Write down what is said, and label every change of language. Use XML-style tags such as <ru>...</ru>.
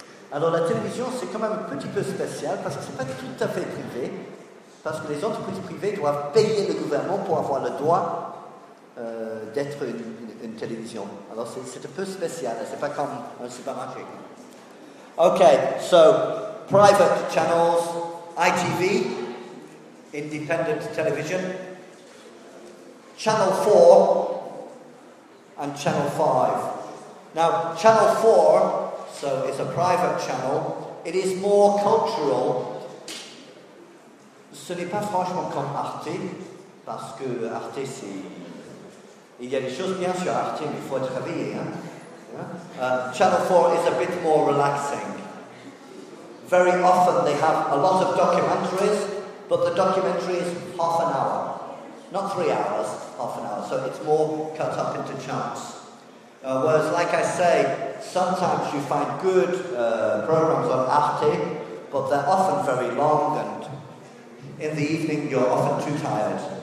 <fr>Alors la télévision, c'est quand même un petit peu spécial parce que c'est pas tout à fait privé, parce que les entreprises privées doivent payer le gouvernement pour avoir le droit d'être une télévision. Alors c'est un peu spécial, c'est pas comme un supermarché.</fr> <en>Okay, so private channels, ITV, Independent Television, Channel 4 and Channel 5. Now, Channel 4, so it's a private channel, it is more cultural.</en> <fr>Ce n'est pas franchement comme Arte, parce que Arte, c'est... Il y a des choses bien sur Arte, mais il faut être réveillé, hein?</fr> <en>Channel 4 is a bit more relaxing. Very often they have a lot of documentaries, but the documentary is half an hour. Not 3 hours, half an hour. So it's more cut up into chunks. Whereas, like I say, sometimes you find good programs on Arte, but they're often very long, and in the evening you're often too tired.</en>